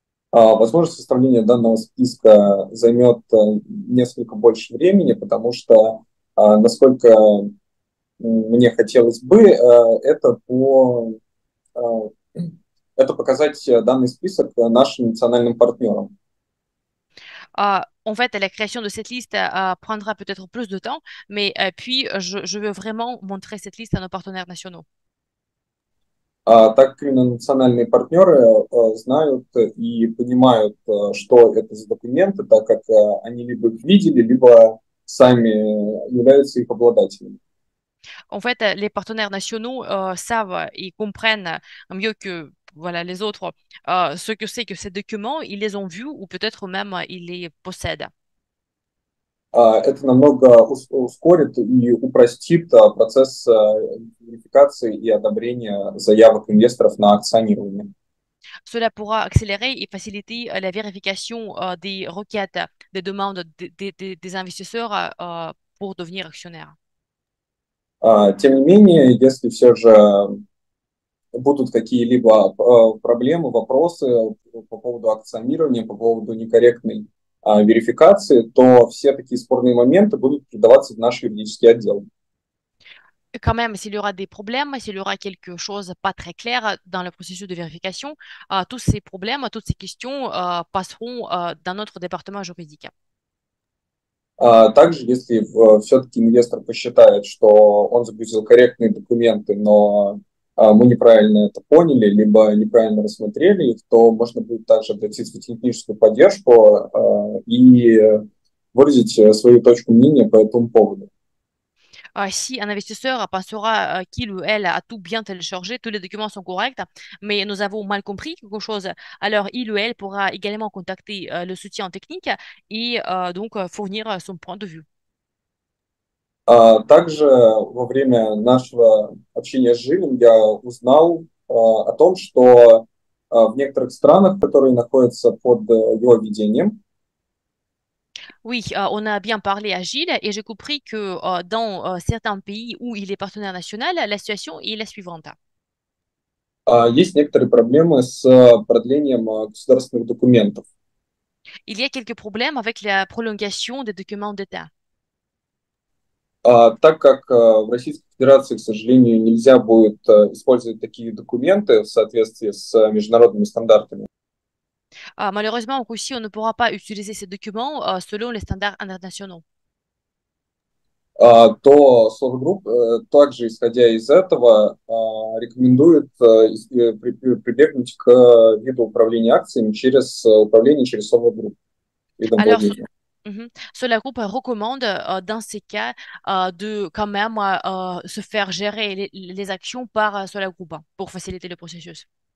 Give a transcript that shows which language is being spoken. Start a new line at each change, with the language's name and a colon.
Russian: Возможность составления данного списка займет несколько больше времени, потому что, насколько мне хотелось бы, это показать данный список нашим национальным партнерам.
French: En fait, la création de cette liste prendra peut-être plus de temps, mais puis je veux vraiment montrer cette liste à nos partenaires nationaux.
Russian: Так как именно национальные партнеры знают и понимают, что это за документы, так как они либо их видели, либо сами являются их обладателями.
French: En fait, les partenaires nationaux savent et comprennent mieux que voilà, les autres, ce que c'est que ces documents, ils les ont vus ou peut-être même ils les possèdent.
Russian: Это намного ускорит и упростит процесс верификации и одобрения заявок инвесторов на акционирование.
French: Cela pourra accélérer
Russian: и
French: faciliter la vérification des requêtes, des demandes des investisseurs pour devenir actionnaire.
Russian: Тем не менее, если все же будут какие-либо проблемы, вопросы по поводу акционирования, по поводу некорректной верификации, то все такие спорные моменты будут передаваться в наш юридический отдел.
French: Quand même, s'il y aura des problèmes, s'il y aura quelque
Russian: чего
French: pas très clair dans le processus de vérification, tous ces problèmes, toutes ces questions passeront dans notre département juridique.
Russian: Также, если все-таки инвестор посчитает, что он загрузил корректные документы, но мы неправильно это поняли, либо неправильно рассмотрели их, то можно будет также обратиться в техническую поддержку и выразить свою точку мнения по этому поводу.
French: Si un investisseur pensera qu'il ou elle a tout bien téléchargé, tous les documents sont corrects, mais nous avons mal compris quelque chose, alors il ou elle pourra également contacter le soutien technique et donc fournir son point de vue.
Russian: Также во время нашего общения с Жилем я узнал о том, что в некоторых странах, которые находятся под его ведением,
French: Oui, on a bien parlé à Gilles et j'ai compris que dans certains pays où il est partenaire national, la situation est la suivante.
Russian: есть некоторые проблемы с продлением государственных документов.
French: Il y a quelques problèmes avec la prolongation des documents d'État.
Russian: Так как в Российской Федерации, к сожалению, нельзя будет использовать такие документы в соответствии с международными стандартами.
French: Malheureusement, aussi, on ne pourra pas utiliser ces documents selon les standards internationaux.
Russian: То Solar Group также, исходя из этого, рекомендует прибегнуть к виду управления акциями через управление через Solar Group, видом
French: Alors,
Russian: владения.
French: Solar Group recommande dans ces cas de quand même se faire gérer les actions par Solar Group pour faciliter le processus.